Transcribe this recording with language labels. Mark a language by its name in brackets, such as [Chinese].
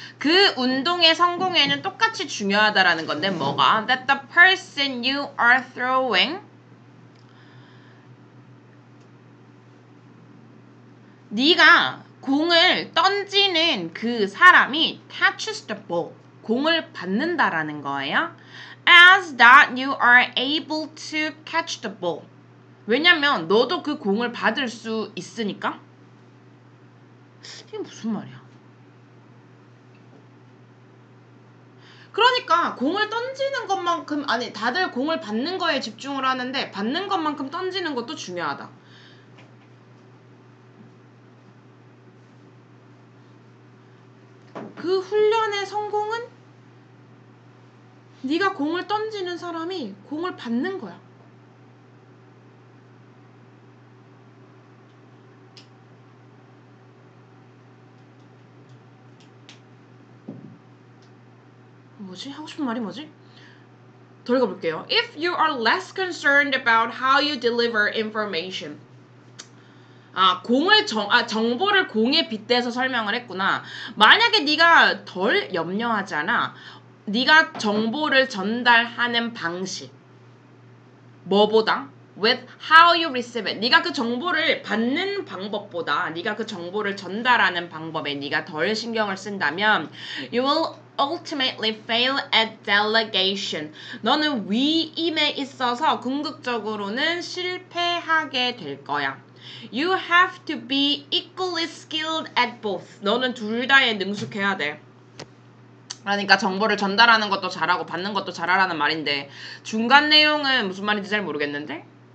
[Korean] 그 운동의 성공에는 똑같이 중요하다라는 건데 뭐가? [English] That the person you are throwing [Korean] 네가 공을 던지는 그 사람이 [English] catches the ball. [Korean] 공을 받는다라는 거예요. [English] As that you are able to catch the ball. [Korean] 왜냐면 너도 그 공을 받을 수 있으니까. 이게 무슨 말이야? 그러니까 공을 던지는 것만큼 아니 다들 공을 받는 거에 집중을 하는데 받는 것만큼 던지는 것도 중요하다. 그 훈련의 성공은 네가 공을 던지는 사람이 공을 받는 거야. 뭐지? 하고 싶은 말이 뭐지? 더 읽어볼게요. [English] If you are less concerned about how you deliver information. [Korean] 아, 정보를 공에 빗대서 설명을 했구나. 만약에 네가 덜 염려하잖아. 네가 정보를 전달하는 방식. 뭐보다? [English] With how you receive it. [Korean] 네가 그 정보를 받는 방법보다 네가 그 정보를 전달하는 방법에 네가 덜 신경을 쓴다면 [English] you will ultimately fail at delegation. [Korean] 너는 위임에 있어서 궁극적으로는 실패하게 될 거야. [English] You have to be equally skilled at both. [Korean] 너는 둘 다에 능숙해야 돼. 그러니까 정보를 전달하는 것도 잘하고 받는 것도 잘하라는 말인데 중간 내용은 무슨 말인지 잘 모르겠는데?